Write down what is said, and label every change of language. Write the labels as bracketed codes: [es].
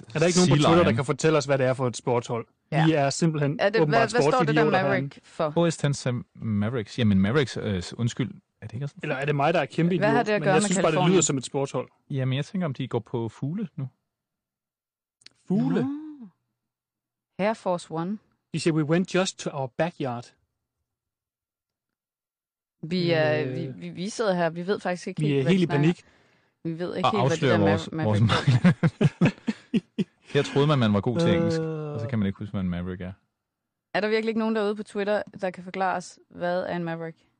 [da] Er der ikke nogen på Twitter, der kan fortælle os, hvad det er for et sportshold? Ja. Vi er simpelthen åbenbart sportsidioter. Hvad står det der Maverick for? OS 10 Mavericks. Jamen, Mavericks, undskyld. Er det ikke sådan? Eller er det mig, der er kæmpe idiot? Hvad har det at gøre med Californien? Jeg synes bare, det lyder som et sportshold. Jamen, jeg tænker, om de går på fugle nu. Fugle? Air Force One. [en] You said we went just to our backyard. [da] Vi sidder her. Vi ved faktisk ikke helt, hvad vi snakker. Vi er helt i panik. Vi ved ikke helt, hvad det der vores Maverick er. Her troede man var god til engelsk, og så kan man ikke huske, hvad en Maverick er. Er der virkelig ikke nogen derude på Twitter, der kan forklare os, hvad er en Maverick?